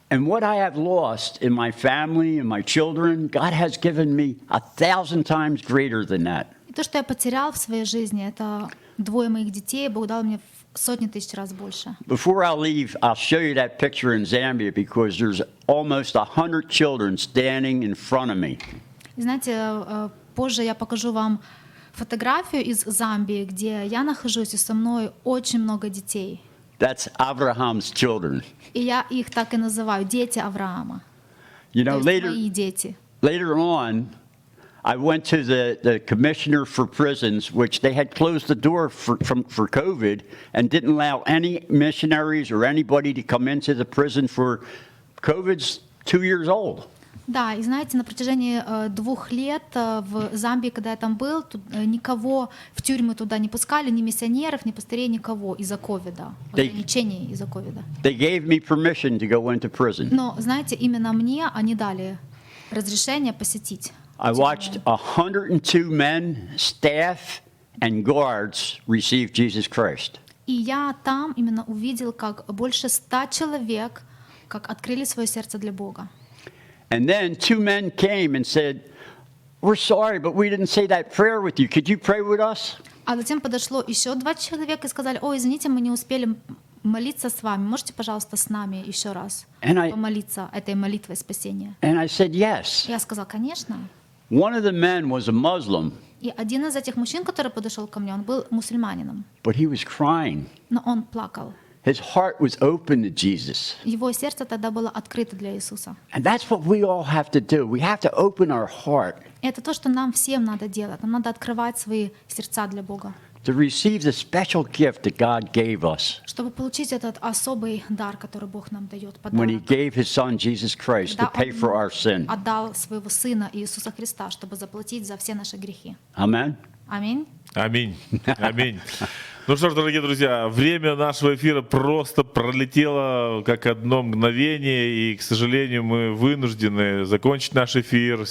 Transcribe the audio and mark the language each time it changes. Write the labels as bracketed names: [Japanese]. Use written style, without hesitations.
[English] And what I have lost in my family and my children, God has given me 1,000 times greater than that. [Russian] И то, что я потерял в своей жизни, это двое моих детей, Бог дал мне сотни тысяч раз больше. [English] Before I leave, I'll show you that picture in Zambia because there's almost 100 children standing in front of me. [Russian] Знаете, позже я покажу вам фотографию из Замбии, где я нахожусь, и со мной очень много детей. [English] That's Abraham's children. [Russian] И я их так и называю, дети Авраама. [English] You know, [Russian] мои дети. [English] Later on, I went to the commissioner for prisons, which they had closed the door for COVID and didn't allow any missionaries or anybody to come into the prison for COVID's 2 years old. [Russian] Да, и знаете, на протяжении двух лет в Замбии, когда я там был, тут, никого в тюрьмы туда не пускали, ни миссионеров, ни пастырей, никого из-за ковида, ограничений из-за ковида. [English] They gave me permission to go into prison. [Russian] Но, знаете, именно мне они дали разрешение посетить. [English] I watched 102 men, staff, and guards receive Jesus Christ. [Russian] И я там именно увидел, как больше 100 человек, как открыли свое сердце для Бога. [English] And then 2 men came and said, "We're sorry, but we didn't say that prayer with you. Could you pray with us?" [Russian] А затем подошло еще 2 человека и сказали: "О, извините, мы не успели молиться с вами. Можете, пожалуйста, с нами еще раз помолиться этой молитвой спасения?" [English] And I said yes. [Russian] Я сказал: "Конечно." [English] One of the men was a Muslim. [Russian] И один из этих мужчин, который подошел ко мне, он был мусульманином. [English] But he was crying. [Russian] Но он плакал. [English] His heart was open to Jesus. [Russian] Его сердце тогда было открыто для Иисуса. [English] And that's what we all have to do. We have to open our heart. [Russian] Это то, что нам всем надо делать. Нам надо открывать свои сердца для Бога. [English] To receive the special gift that God gave us. [Russian] Чтобы получить этот особый дар, который Бог нам дает. [English] When He gave His Son Jesus Christ to pay for our sin. [Russian] Когда Он отдал своего Сына Иисуса Христа, чтобы заплатить за все наши грехи. [English] Amen. [Russian] Аминь. Аминь. Аминь. Ну что ж, дорогие друзья, время нашего эфира просто пролетело как одно мгновение, и, к сожалению, мы вынуждены закончить наш эфир.